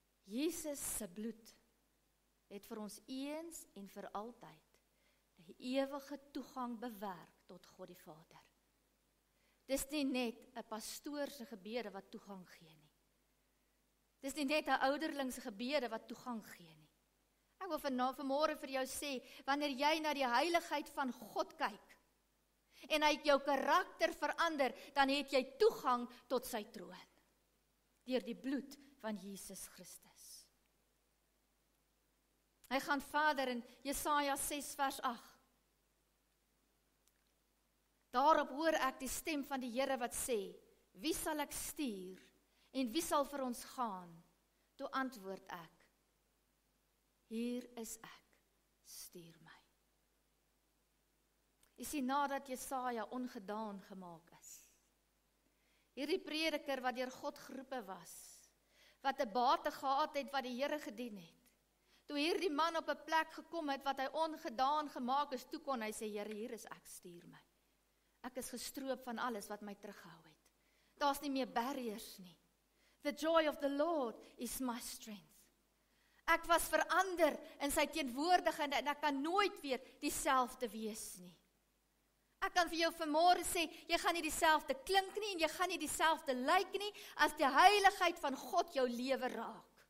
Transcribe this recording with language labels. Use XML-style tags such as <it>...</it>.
<af>Jesus se bloed het vir ons eens en vir altyd die ewige toegang bewerk tot God die Vader. Dis nie net 'n pastoor se gebede wat toegang gee nie. Het is nie net een ouderlingse gebede wat toegang gee nie. Ek wil vanmorgen vir jou sê, wanneer jy na die heiligheid van God kyk, en hy het jou karakter verander, dan het jy toegang tot sy troon, deur die bloed van Jesus Christus. Hy gaan verder in Jesaja 6 vers 8. Daarop hoor ek die stem van die Here wat sê, wie sal ek stuur, en wie sal vir ons gaan? Toe antwoord ek, hier is ek, stuur my. Jy sien, nadat Jesaja ongedaan gemaakt is, hierdie prediker wat deur God geroepe was, wat die bate gehad het, wat die Here gedien het, toe hierdie man op 'n plek gekom het, wat hy ongedaan gemaakt is, toe kon hy sê, Here, hier is ek, stuur my. Ek is gestroop van alles wat my terughou het. Daar is nie meer barriers nie.</af> <en>The joy of the Lord is my strength.</en> <af>Ek was verander in sy teenwoordigheid en ek kan nooit weer dieselfde wees nie. Ek kan vir jou vanmorgen sê, jy gaan nie dieselfde klink nie en jy gaan nie dieselfde lyk nie as die heiligheid van God jou lewe raak.</af>